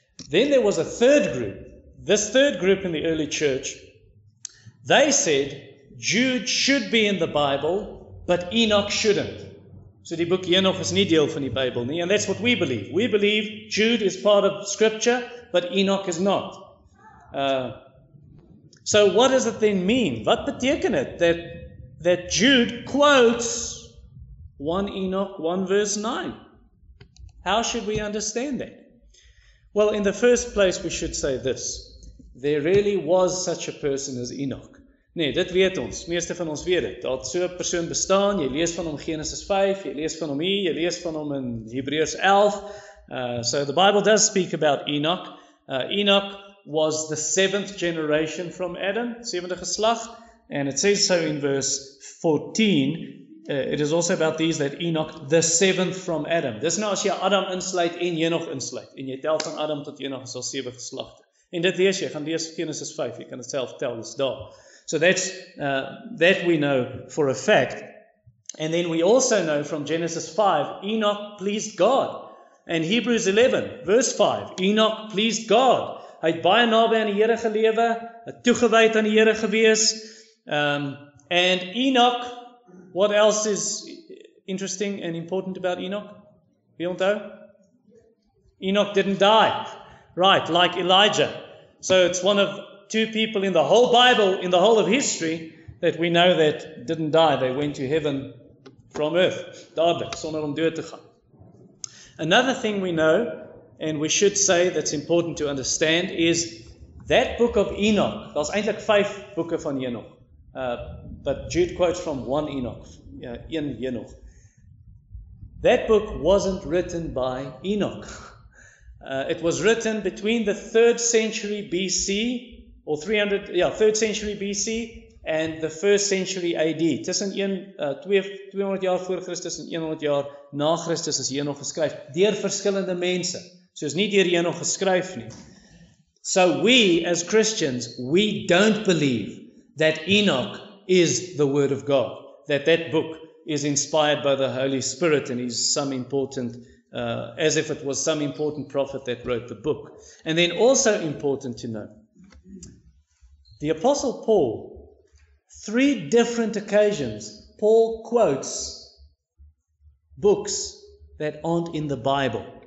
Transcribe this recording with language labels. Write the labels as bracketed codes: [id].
[en] Then there was a third group. This third group in the early church, they said Jude should be in the Bible, but Enoch shouldn't. [af] So die boek Enoch is nie deel van die Bybel nie, [en] and that's what we believe. We believe Jude is part of Scripture, but Enoch is not. So what does it then mean? [af] Wat beteken het [en] that Jude quotes 1 Enoch 1 verse 9? How should we understand that? Well, in the first place, we should say this. There really was such a person as Enoch. [af] Nee, dit weet ons. Meeste van ons weet het. Dat so 'n persoon bestaan. Jy lees van hom Genesis 5. Jy lees van hom hier. Jy lees van hom in Hebreërs 11. [en] So the Bible does speak about Enoch. Enoch was the 7th generation from Adam. [af] 7de geslag. [en] And it says so in verse 14. It is also about these that Enoch, the 7th from Adam. [af] Dis nou as jy Adam insluit en Enoch insluit. En jy tel van Adam tot Enoch is al 7 geslagte. En dit lees jy. Gaan lees Genesis 5. Jy kan dit self tel. Dis daar. [en] So that we know for a fact. And then we also know from Genesis 5, Enoch pleased God. And Hebrews 11, verse 5, Enoch pleased God. [af] Hy het baie naby aan die Here gelewe, toegewyd aan die Here gewees. [en] And Enoch, what else is interesting and important about Enoch? [af] Wie onthou? [en] Enoch didn't die. Right, like Elijah. So it's one of 2 people in the whole Bible, in the whole of history, that we know that didn't die. They went to heaven from earth. [af] Dadelijk, sonder om dood te gaan. [en] Another thing we know, and we should say that's important to understand, is that book of Enoch, [af] dat is eindelijk 5 boeken van Enoch, [en] but Jude quotes from 1 Enoch, in Enoch. That book wasn't written by Enoch. It was written between the 3rd century B.C., 3rd century BC and the 1st century AD. [af] Tussen 200 jaar voor Christus en 100 jaar na Christus is Enoch geskryf deur verskillende mense. So is nie deur Enoch geskryf nie. [en] So we as Christians, we don't believe that Enoch is the Word of God, that book is inspired by the Holy Spirit and is some important as if it was some important prophet that wrote the book. And then also important to know, the Apostle Paul, 3 different occasions, Paul quotes books that aren't in the Bible.